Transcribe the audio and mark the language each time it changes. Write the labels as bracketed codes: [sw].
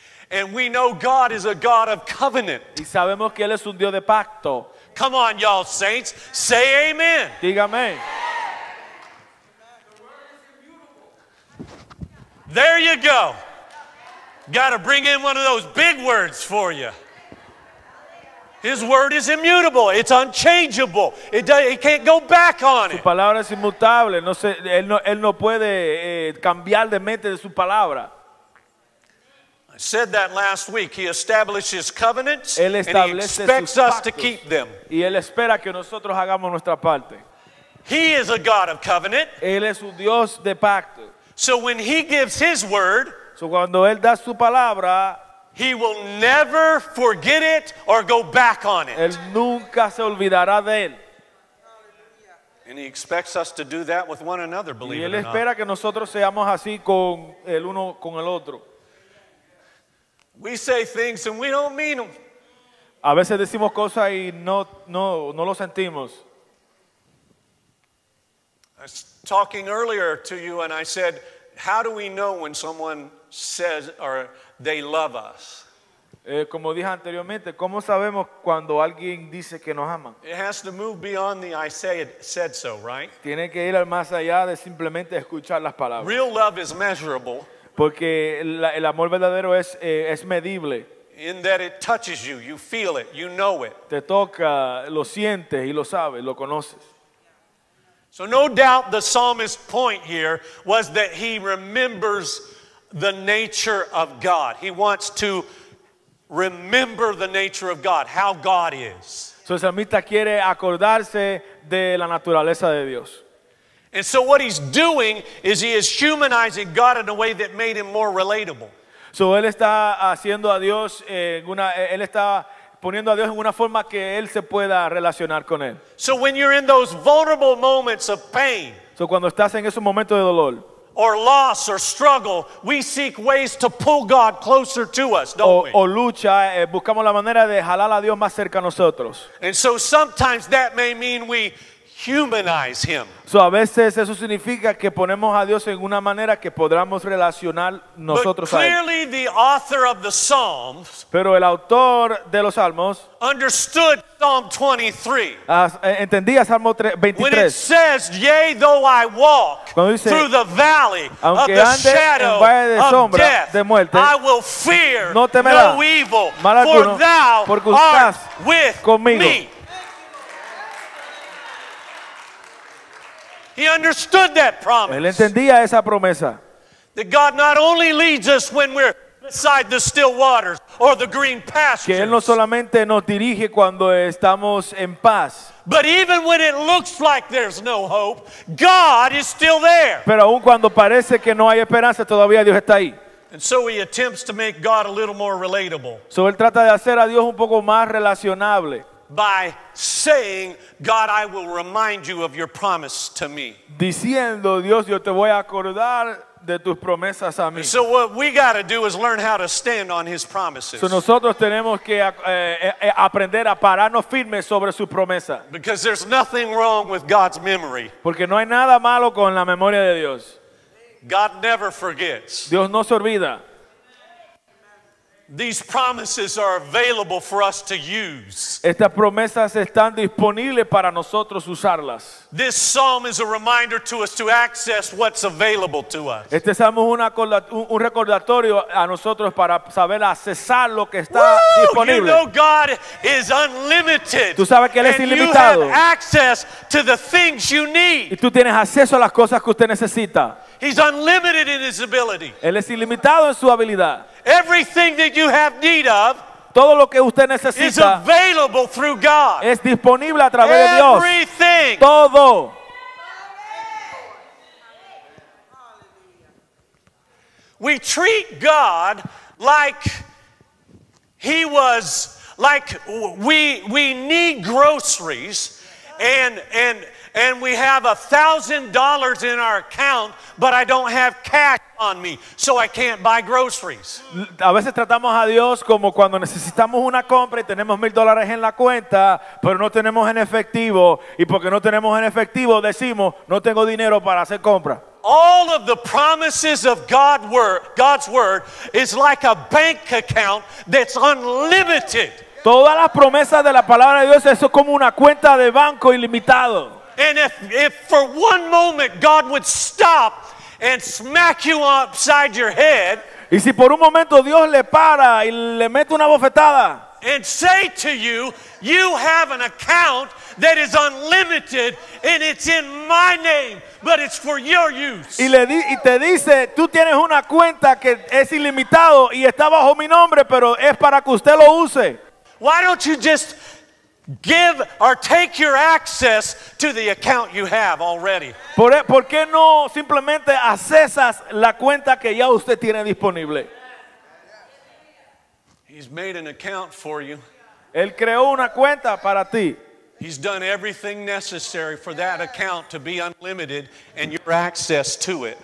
[en] And we know God is a God of covenant. [es] Y sabemos que él es un Dios de pacto. [en] Come on, y'all saints, say amen. [es] Dígame. [en] There you go. Got to bring in one of those big words for you. His word is immutable. It's unchangeable. It can't go back on it. [es] Su palabra es inmutable. No sé, él no puede cambiar de mente de su palabra. [en] I said that last week. He establishes covenants. [es] Él establece [en] and he expects [es] sus [en] us to keep them. [es] Y él espera que nosotros hagamos nuestra parte. [en] He is a God of covenant. [es] Él es un Dios de pacto. [en] So when he gives his word, [es] so cuando él da su palabra, [en] he will never forget it or go back on it. [es] Él nunca se olvidará de él. [en] And he expects us to do that with one another, believe [es] y él [en] it or [es] espera [en] not. [es] Que nosotros seamos así con el uno con el otro. [en] We say things and we don't mean them. [es] A veces decimos cosas y no lo sentimos. [en] Talking earlier to you, and I said, how do we know when someone says or they love us? [es] Como dije anteriormente, ¿cómo sabemos cuando alguien dice que nos ama? [en] It has to move beyond the I say it said so, right? [es] Tiene que ir más allá de simplemente escuchar las palabras. [en] Real love is measurable. [es] Porque el amor verdadero es medible. [en] In that it touches you, you feel it, you know it. [es] Te toca, lo sientes y lo sabes, lo conoces. [en] So no doubt the psalmist's point here was that he remembers the nature of God. He wants to remember the nature of God, how God is. [es] So el salmista quiere acordarse de la naturaleza de Dios. [en] And so what he's doing is he is humanizing God in a way that made him more relatable. [es] So él está haciendo a Dios en una él está poniendo a Dios en una forma que él se pueda relacionar con él. [en] So when you're in those vulnerable moments of pain, [es] so cuando estás en esos momentos de dolor, [en] or loss or struggle, we seek ways to pull God closer to us, don't we? [es] O lucha, buscamos la manera de jalar a Dios más cerca a nosotros. [en] And so sometimes that may mean we humanize him. [es] So a veces eso significa que ponemos a Dios en una manera que podamos relacionar nosotros a él. [en] Clearly the author of the Psalms, [es] pero el autor de los Salmos, [en] understood Psalm 23. [es] Entendía Salmo 23. [en] When it says, "Yea, though I walk through the valley of the shadow of death, I will fear no evil, [es] mal alguno, [en] for thou art with [es] conmigo." [en] Me. He understood that promise. [es] Él entendía esa promesa. [en] That God not only leads us when we're beside the still waters or the green pastures. [es] Que él no solamente nos dirige cuando estamos en paz. [en] But even when it looks like there's no hope, God is still there. [es] Pero aun cuando parece que no hay esperanza, todavía Dios está ahí. [en] And so he attempts to make God a little more relatable. [es] So él trata de hacer a Dios un poco más relacionable. [en] By saying, "God, I will remind you of your promise to me." [es] Diciendo, Dios, yo te voy a acordar de tus promesas a mí. [en] So what we got to do is learn how to stand on his promises. [es] So nosotros tenemos que aprender a pararnos firmes sobre su promesa. [en] Because there's nothing wrong with God's memory. [es] Porque no hay nada malo con la memoria de Dios. [en] God never forgets. [es] Dios no se olvida. [en] These promises are available for us to use. [es] Estas promesas están disponibles para nosotros usarlas. [en] This psalm is a reminder to us to access what's available to us. [es] Este salmo es un recordatorio a nosotros para saber accesar lo que está disponible. [en] You know God is unlimited. [es] Tú sabes que él es ilimitado. [en] And you have access to the things you need. [es] Y tú tienes acceso a las cosas que usted necesita. [en] He's unlimited in his ability. [es] Él es ilimitado en su habilidad. [en] Everything that you have need of, [es] todo lo que usted necesita, [en] is available through God. [es] Es disponible a través de Dios. [en] Everything. [es] Todo. [en] We treat God like he was, like we need groceries and we have $1,000 in our account, but I don't have cash on me, so I can't buy groceries. [es] A veces tratamos a Dios como cuando necesitamos una compra y tenemos $1,000 en la cuenta, pero no tenemos en efectivo, y porque no tenemos en efectivo decimos no tengo dinero para hacer compra. [en] All of the promises of God's word is like a bank account that's unlimited. [es] Todas las promesas de la palabra de Dios es como una cuenta de banco ilimitado. [en] And if for one moment God would stop and smack you upside your head, [es] y si por un momento Dios le para y le mete una bofetada, [en] and say to you, "You have an account that is unlimited and it's in my name, but it's for your use." [es] Y te dice, tú tienes una cuenta que es ilimitado y está bajo mi nombre, pero es para que usted lo use. [en] Why don't you just give or take your access to the account you have already? [es] ¿Por qué no simplemente accesas la cuenta que ya usted tiene disponible? [en] He's made an account for you. [es] Él creó una cuenta para ti. [en] He's done everything necessary for that account to be unlimited and your access to it.